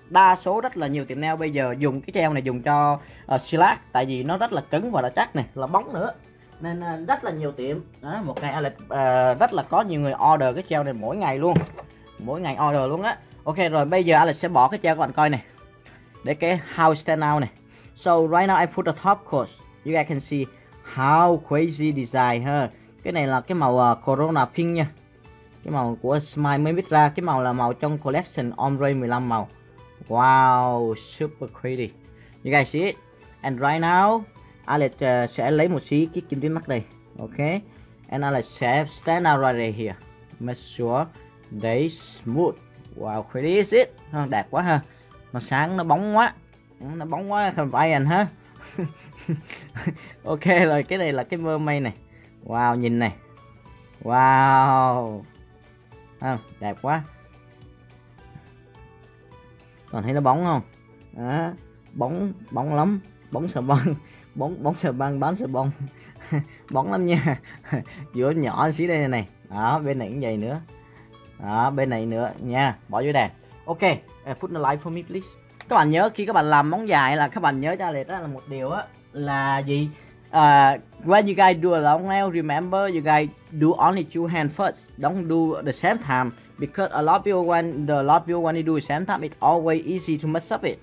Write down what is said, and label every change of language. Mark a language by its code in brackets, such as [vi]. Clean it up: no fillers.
[vi] Đa số rất là nhiều tiệm nail bây giờ dùng cái gel này dùng cho silat tại vì nó rất là cứng và là chắc này, là bóng nữa. Nên rất là nhiều tiệm. Đó, một ngày Alex rất là có nhiều người order cái gel này mỗi ngày luôn. Mỗi ngày order luôn á. Ok rồi, bây giờ Alex sẽ bỏ cái gel các bạn coi này. [en] Để cái how stand out này. So right now I put the top coat. You guys can see how crazy design ha. [vi] Cái này là cái màu Corona Pink nha. Cái màu của Smile mới biết ra. Cái màu là màu trong collection Ombre 15 màu. Wow, super crazy. You guys see it? And right now, Alex sẽ lấy một xí cái kim tuyến mắt đây. [en] Ok. And Alex sẽ stand out right here. Make sure they smooth. Wow, crazy is it? Đẹp quá ha. [vi] Mà sáng nó bóng quá. Nó bóng quá, không phải anh ha. Ok rồi, cái này là cái mơ mây này. Wow, nhìn này. Wow à, đẹp quá. Còn thấy nó bóng không à, bóng, bóng lắm. Bóng sờ băng. Bóng, bóng sờ băng, bán sờ bông. Bóng lắm nha. Giữa nhỏ xí đây này. Đó, bên này cũng vậy nữa. Đó, bên này nữa nha. Bỏ dưới đèn. Ok, put the light for me please. Các bạn nhớ khi các bạn làm món dài là các bạn nhớ cho Alex là một điều á là gì? [en] When you guys do a long nail, remember you guys do only two hands first. Don't do the same time because a lot of people when the lot of people when you do the same time it always easy to mess up it.